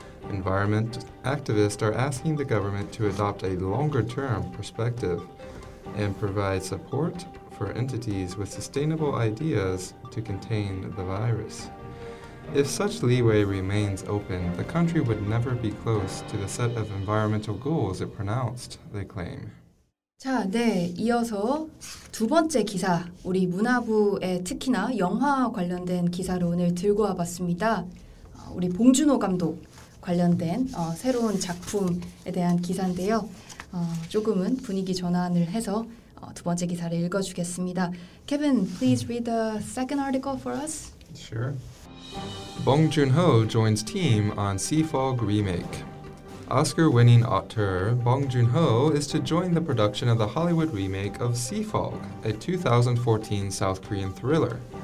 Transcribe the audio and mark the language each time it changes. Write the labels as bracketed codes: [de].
[en] Environment activists are asking the government to adopt a longer-term perspective and provide support for entities with sustainable ideas to contain the virus. If such leeway remains open, the country would never be close to the set of environmental goals it pronounced, they claim. [ko] 자, 네, 이어서 두 번째 기사, 우리 문화부의 특히나 영화 관련된 기사를 오늘 들고 와봤습니다. 우리 봉준호 감독 관련된 새로운 작품에 대한 기사인데요. 조금은 분위기 전환을 해서 두 번째 기사를 읽어주겠습니다. [en] Kevin, please read the second article for us. Sure. Bong Joon-ho joins team on Seafog remake. Oscar-winning auteur Bong Joon-ho is to join the production of the Hollywood remake of Seafog, a 2014 South Korean thriller.